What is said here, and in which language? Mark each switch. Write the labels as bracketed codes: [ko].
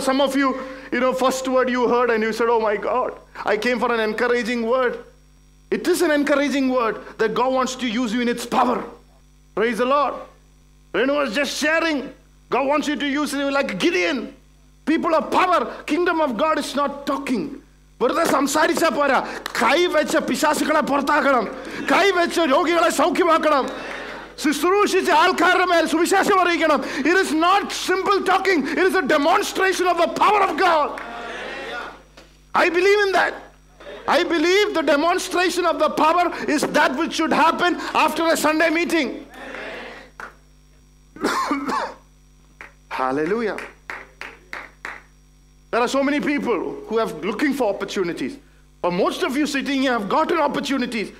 [en] Some of you, you know, first word you heard and you said, oh my God, I came for an encouraging word. It is an encouraging word that God wants to use you in its power. Praise the Lord. Renu was just sharing. God wants you to use you like Gideon. People of power, kingdom of God is not talking. [ml] വെറുതെ സംസാരിച്ചാൽ പോരാ, കൈ വെച്ച പിശാസുകളെ പുറത്താക്കണം, കൈ വെച്ച രോഗികളെ സൗഖ്യമാക്കണം, ശുശ്രൂഷിച്ച ആൾക്കാരുടെ മേൽ സുവിശേഷം അറിയിക്കണം. [en] It is not simple talking, it is a demonstration of the power of God. I believe in that. I believe the demonstration of the power is that which should happen after a Sunday meeting. Hallelujah. There are so many people who are looking for opportunities. But most of you sitting here have gotten opportunities.